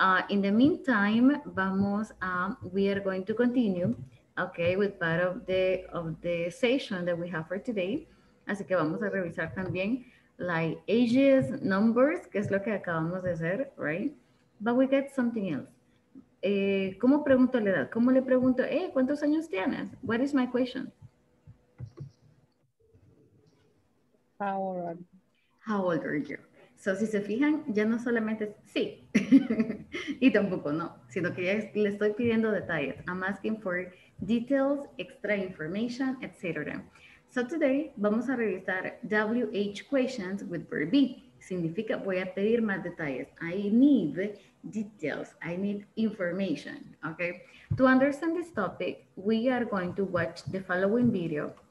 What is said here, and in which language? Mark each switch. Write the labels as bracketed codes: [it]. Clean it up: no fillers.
[en] In the meantime, we are going to continue, okay, with part of the session that we have for today. [es] Así que vamos a revisar también [en] like ages, numbers, [es] que es lo que acabamos de hacer, right? [en] But we get something else. [es] ¿Cómo pregunto la edad? ¿Cómo le pregunto, cuántos años tienes? [en] What is my question? How old are you? [es] So si se fijan, ya no solamente es sí, y tampoco no, sino que ya le estoy pidiendo detalles. [en] I'm asking for details, extra information, etc. So today, [es] vamos a revisar [en] WH questions with verb be. [es] significa voy a pedir más detalles. [en] I need details. I need information. Okay. To understand this topic, we are going to watch the following video.